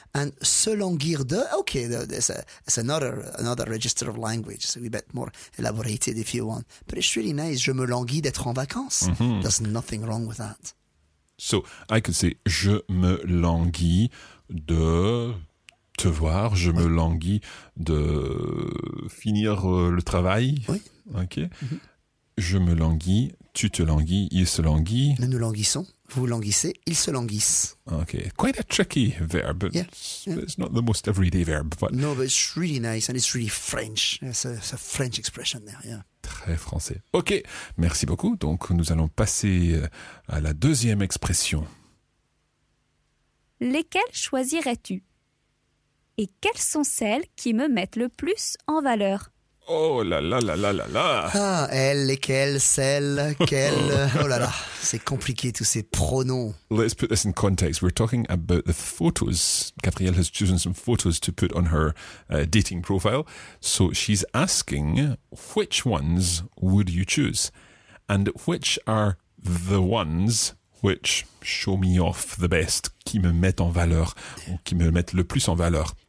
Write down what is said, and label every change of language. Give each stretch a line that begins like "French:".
English: and se languir de, okay, it's another register of language, so a bit more elaborated if you want. But it's really nice,
French: je me languis d'être en vacances.
English: Mm-hmm. There's nothing wrong with that. So I could say,
French: je me languis de... te voir, je me languis de finir le travail. Oui. Ok. Mm-hmm. Je me languis, tu te languis, il se languit. Nous languissons, vous languissez, ils se languissent.
English: Ok. Quite a tricky verb. Yeah. It's not the most everyday verb. But... No, but it's really nice and it's really French. It's a French expression there. Yeah.
French: Très français. Ok. Merci beaucoup. Donc, nous allons passer à la deuxième expression. Lesquelles choisirais-tu? Et quelles sont celles qui me mettent le plus en valeur? Oh là là là là là là! Ah, elle, lesquelles, celles, quelles... Oh là là, c'est compliqué tous ces pronoms.
English: Let's put this in context. We're talking about the photos. Gabrielle has chosen some photos to put on her dating profile. So she's asking, which ones would you choose? And which are the ones... which show me off the best,
French: qui me mettent en valeur,
English: ou qui me mettent le plus en valeur.